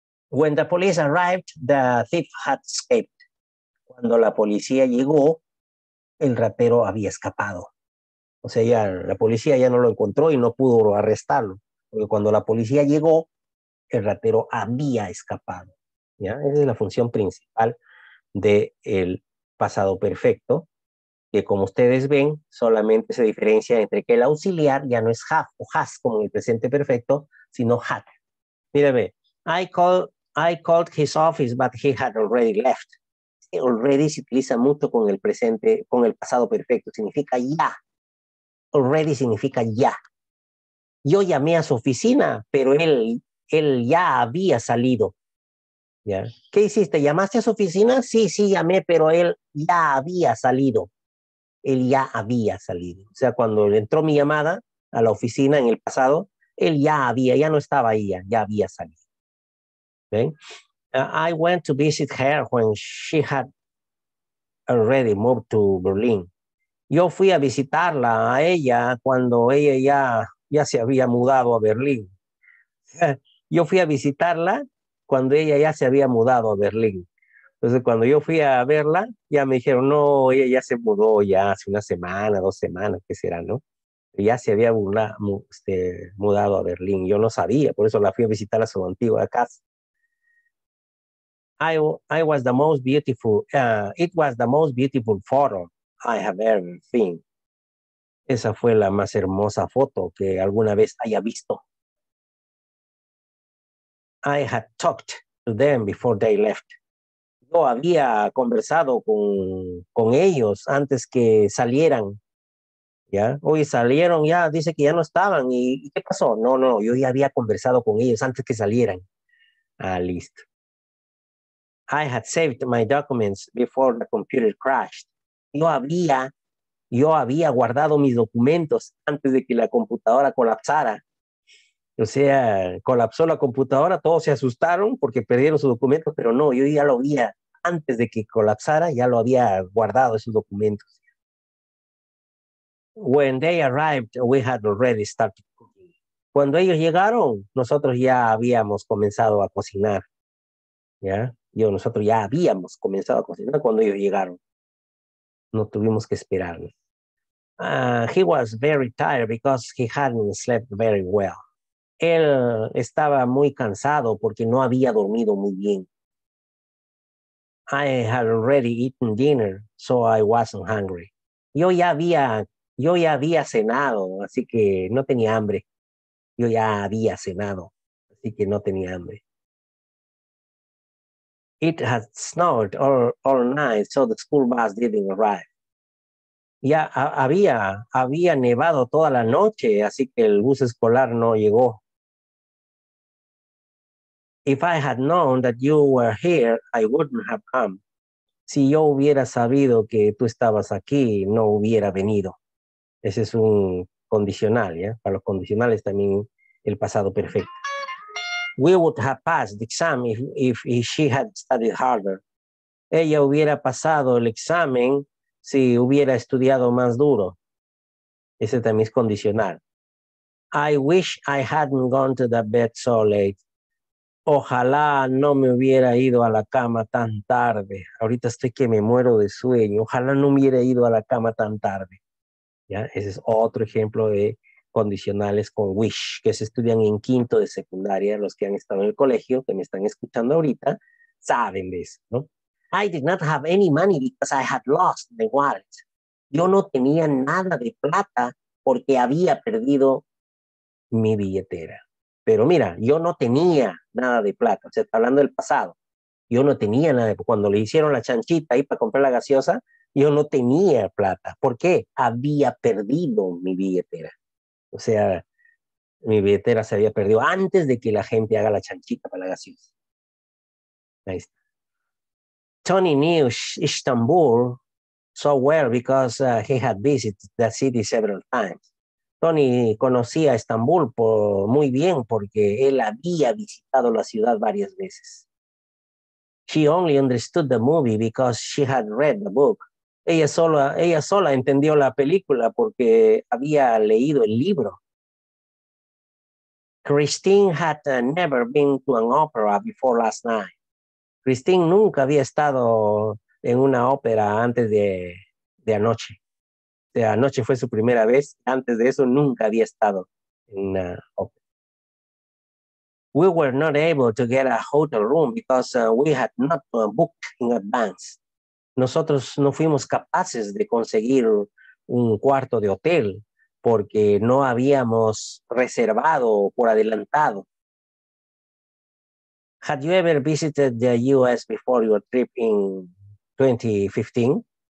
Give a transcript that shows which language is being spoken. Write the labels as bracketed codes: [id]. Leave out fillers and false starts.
[en] When the police arrived, the thief had escaped. [es] Cuando la policía llegó, el ratero había escapado. O sea, ya la policía ya no lo encontró y no pudo arrestarlo. Porque cuando la policía llegó, el ratero había escapado. ¿Ya? Esa es la función principal del pasado perfecto, que como ustedes ven, solamente se diferencia entre que el auxiliar ya no es have o has como en el presente perfecto, sino had. Mírame, [en] I called his office, but he had already left. [es] Already se utiliza mucho con el presente, con el pasado perfecto, significa ya. Already significa ya. Yo llamé a su oficina, pero él ya había salido. ¿Ya? ¿Qué hiciste? ¿Llamaste a su oficina? Sí, llamé, pero él ya había salido. Él ya había salido. O sea, cuando le entró mi llamada a la oficina en el pasado, él ya no estaba ahí, ya había salido. ¿Ven? [en] I went to visit her when she had already moved to Berlin. [es] Yo fui a visitarla a ella cuando ella ya se había mudado a Berlín. Yo fui a visitarla cuando ella ya se había mudado a Berlín. Entonces, cuando yo fui a verla, ya me dijeron, no, ella ya se mudó ya hace una semana, 2 semanas, qué será, ¿no? Ya se había mudado a Berlín. Yo no sabía, por eso la fui a visitar a su antigua casa. [en] I was the most beautiful, it was the most beautiful photo I have ever seen. [es] Esa fue la más hermosa foto que alguna vez haya visto. [en] I had talked to them before they left. [es] Yo había conversado con ellos antes que salieran. ¿Ya? Hoy salieron, ya dice que ya no estaban. ¿Y qué pasó? No, no, yo ya había conversado con ellos antes que salieran. Ah, listo. [en] I had saved my documents before the computer crashed. [es] Yo había guardado mis documentos antes de que la computadora colapsara. O sea, colapsó la computadora, todos se asustaron porque perdieron sus documentos, pero no, yo ya lo había, antes de que colapsara, ya lo había guardado esos documentos. [en] When they arrived, we had already started cooking. [es] Cuando ellos llegaron, nosotros ya habíamos comenzado a cocinar. ¿Ya? Yo, nosotros ya habíamos comenzado a cocinar cuando ellos llegaron. No tuvimos que esperar. [en] He was very tired because he hadn't slept very well. [es] Él estaba muy cansado porque no había dormido muy bien. [en] I had already eaten dinner, so I wasn't hungry. [es] Yo ya había cenado, así que no tenía hambre. Yo ya había cenado, así que no tenía hambre. [en] It had snowed all night, so the school bus didn't arrive. [es] Ya había nevado toda la noche, así que el bus escolar no llegó. [en] If I had known that you were here, I wouldn't have come. [es] Si yo hubiera sabido que tú estabas aquí, no hubiera venido. Ese es un condicional, ¿ya? Para los condicionales también el pasado perfecto. [en] We would have passed the exam if she had studied harder. [es] Ella hubiera pasado el examen si hubiera estudiado más duro. Ese también es condicional. [en] I wish I hadn't gone to the bed so late. [es] Ojalá no me hubiera ido a la cama tan tarde. Ahorita estoy que me muero de sueño. Ojalá no me hubiera ido a la cama tan tarde. ¿Ya? Ese es otro ejemplo de condicionales con wish, que se estudian en quinto de secundaria. Los que han estado en el colegio, que me están escuchando ahorita, saben de eso, ¿no? [en] I did not have any money because I had lost my wallet. [es] Yo no tenía nada de plata porque había perdido mi billetera. Pero mira, yo no tenía nada de plata. O sea, está hablando del pasado. Yo no tenía nada de plata. Cuando le hicieron la chanchita ahí para comprar la gaseosa, yo no tenía plata. ¿Por qué? Había perdido mi billetera. O sea, mi billetera se había perdido antes de que la gente haga la chanchita para la gaseosa. Ahí está. [en] Tony knew Istanbul so well because he had visited the city several times. [es] Tony conocía Estambul muy bien porque él había visitado la ciudad varias veces. [en] She only understood the movie because she had read the book. [es] Ella sola entendió la película porque había leído el libro. [en] Christine had never been to an opera before last night. [es] Christine nunca había estado en una ópera antes de anoche. De anoche fue su primera vez. Antes de eso nunca había estado en una ópera. [en] We were not able to get a hotel room because we had not booked in advance. [es] Nosotros no fuimos capaces de conseguir un cuarto de hotel porque no habíamos reservado por adelantado. [en] Had you ever visited the US before your trip in 2015?